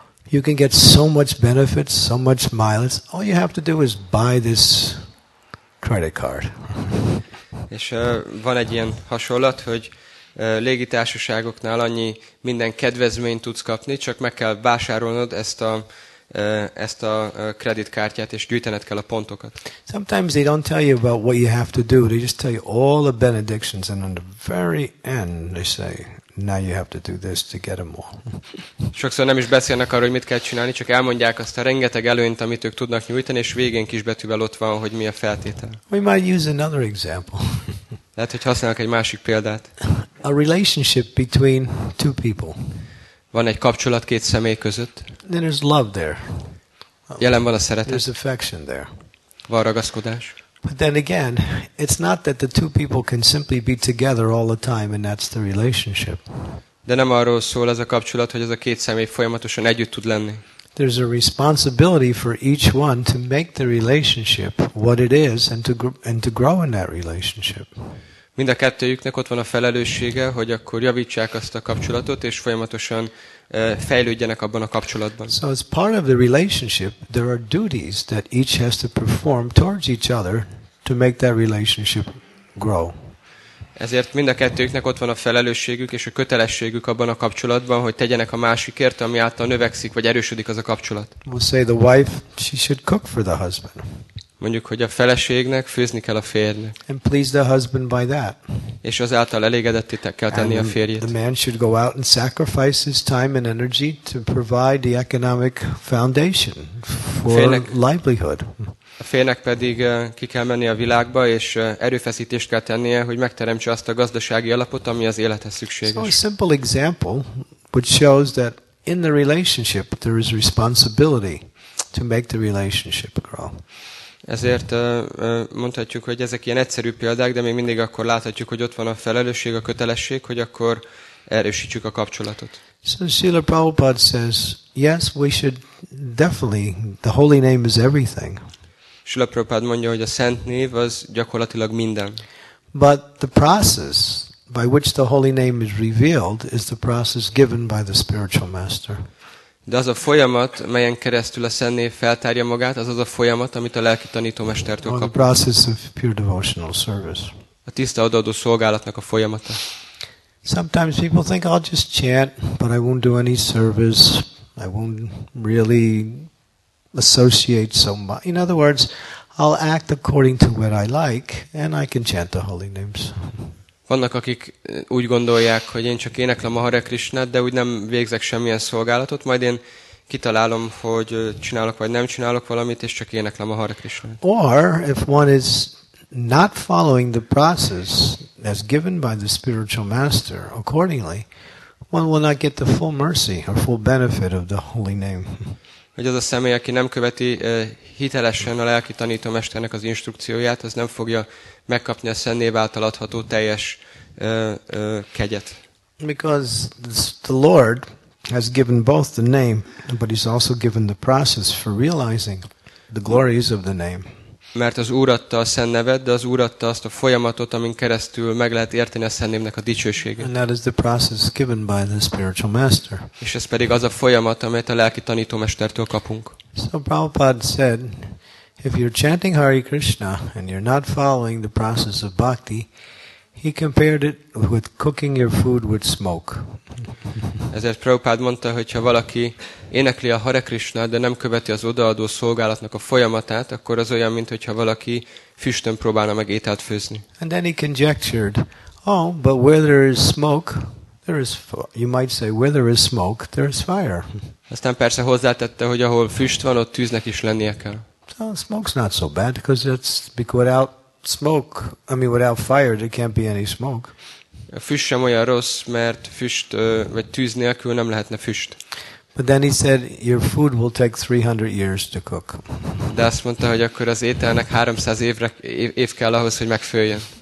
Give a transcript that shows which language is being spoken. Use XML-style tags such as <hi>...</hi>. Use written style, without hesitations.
<en>You can get so much benefits, so much mileage. All you have to do is buy this credit card.</en> <hu>És van egy ilyen hasonlat, hogy légitársaságoknál annyi minden kedvezményt tudsz kapni, csak meg kell vásárolnod ezt a kreditkártyát, és gyűjtened kell a pontokat.</hu> <en>Sometimes they don't tell you about what you have to do. They just tell you all the benedictions, and on the very end they say, now you have to do this to get them all.</en> <hu>Sokszor nem is beszélnek arról, hogy mit kell csinálni, csak elmondják azt a rengeteg előnyt, amit ők tudnak nyújtani, és végén kisbetűvel ott van, hogy mi a feltétel.</hu> <en>We might use another example.</en> <hu>Lehet, hogy használnak egy másik példát.</hu> <en>A relationship between two people.</en> <hu>Van egy kapcsolat két személy között.</hu> <en>Then there's love there.</en> <hu>Jelen van a szeretet.</hu> <en>There's affection there.</en> <hu>Van ragaszkodás.</hu> <en>But then again, it's not that the two people can simply be together all the time and that's the relationship.</en> <hu>De nem arról szól ez a kapcsolat, hogy ez a két személy folyamatosan együtt tud lenni.</hu> <en>there's a responsibility for each one to make the relationship what it is and to grow in that relationship.</en> <hu>Mind a kettőjüknek ott van a felelőssége, hogy akkor javítsák azt a kapcsolatot és folyamatosan fejlődjenek abban a kapcsolatban.</hu> <en>So as part of the relationship, there are duties that each has to perform towards each other to make that relationship grow.</en> <hu>Ezért mind a kettőjüknek ott van a felelősségük és a kötelességük abban a kapcsolatban, hogy tegyenek a másikért, ami által növekszik vagy erősödik az a kapcsolat.</hu> <en>We'll say the wife, she should cook for the husband.</en> <hu>Mondjuk, hogy a feleségnek főzni kell a férjnek.</hu> <en>And please the husband by that.</en> <hu>És azáltal elégedettét kell tenni</hu> <en>and</en> <hu>a férjét.</hu> <en>The man should go out and sacrifice his time and energy to provide the economic foundation for livelihood.</en> <hu>A férjnek pedig ki kell menni a világba, és erőfeszítést kell tennie, hogy megteremtse azt a gazdasági alapot, ami az élethez szükséges.</hu> <en>So a simple example which shows that in the relationship there is responsibility to make the relationship grow.</en> <hu>Ezért mondhatjuk, hogy ezek ilyen egyszerű példák, de még mindig akkor láthatjuk, hogy ott van a felelősség, a kötelesség, hogy akkor erősítsük a kapcsolatot.</hu> <en>So Srila Prabhupada says, yes, we should definitely, the holy name is everything.</en> <hu>Srila Prabhupada mondja, hogy a szent név az gyakorlatilag minden.</hu> <en>But the process by which the holy name is revealed is the process given by the spiritual master.</en> <hu>De az a folyamat, melyen keresztül a szent név feltárja magát, az az a folyamat, amit a lelki tanítómestertől kap.</hu> <en>The process of pure devotional service.</en> <hu>A tiszta odaadó szolgálatnak a folyamata.</hu> <en>Sometimes people think I'll just chant, but I won't do any service. I won't really associate so much. In other words, I'll act according to what I like, and I can chant the holy names.</en> <hu>Vannak, akik úgy gondolják, hogy én csak éneklem a Hare Krishnát, de úgy nem végzek semmilyen szolgálatot, majd én kitalálom, hogy csinálok vagy nem csinálok valamit, és csak éneklem a Hare Krishnát.</hu> <en>Or if one is not following the process as given by the spiritual master accordingly, one will not get the full mercy or full benefit of the holy name.</en> <hu>Hogy az a személy, aki nem követi hitelesen a lelki tanítómesternek az instrukcióját, az nem fogja megkapni a szent név által adható teljes kegyet.</hu> <en>Because the Lord has given both the name, but he's also given the process for realizing the glories of the name.</en> <hu>Mert az Úr adta a szent nevet, de az Úr adta azt a folyamatot, amin keresztül meg lehet érteni a szent névnek a dicsőségét.</hu> <en>And that is the process given by the spiritual master.</en> <hu>És ez pedig az a folyamat, amit a lelki tanítómestertől kapunk.</hu> <en>So Prabhupada said, if you're chanting Hare Krishna and you're not following the process of bhakti, he compared it with cooking your food with smoke.</en> <hu>Ezért Prabhupada mondta, hogy ha valaki énekli a Hare Krishna, de nem követi az odaadó szolgálatnak a folyamatát, akkor az olyan, mint hogyha valaki füstön próbálna meg ételt főzni.</hu> <en>And then he conjectured, oh, but where there is smoke, there is, you might say, where there is smoke, there is fire.</en> <hu>Aztán persze hozzátette, hogy ahol füst van, ott tűznek is lennie kell.</hu> <en>So smoke's not so bad, because it's without smoke, I mean without fire, there can't be any smoke.</en> <hu>A füst sem olyan rossz, mert füst vagy tűz nélkül nem lehetne füst.</hu> <en>But then he said, your food will take 300 years to cook.</en> <hu>De azt mondta, hogy akkor az ételnek 300 év kell ahhoz, hogy megfőjön.</hu>